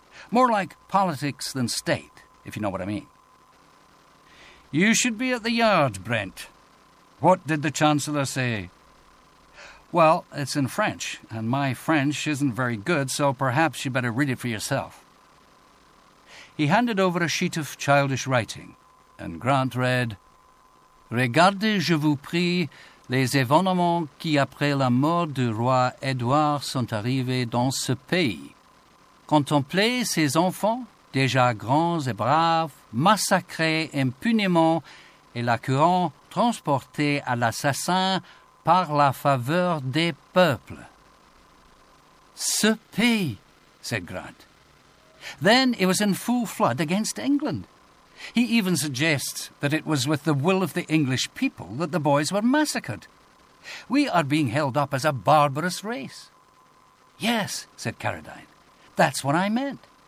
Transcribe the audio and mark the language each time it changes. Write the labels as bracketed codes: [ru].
[en] More like politics than state, if you know what I mean." "You should be at the Yard, Brent. What did the Chancellor say?" "Well, it's in French, and my French isn't very good, so perhaps you better read it for yourself." He handed over a sheet of childish writing, and Grant read, [fr] "Regardez, je vous prie, les événements qui après la mort du roi Édouard sont arrivés dans ce pays. Contemplez ces enfants, déjà grands et braves, massacrés impunément et la couronne transportée à l'assassin par la faveur des peuples." "Ce pays," [en] said Grant. "Then it was in full flood against England. He even suggests that it was with the will of the English people that the boys were massacred. We are being held up as a barbarous race." "Yes," said Carradine. "That's what I meant.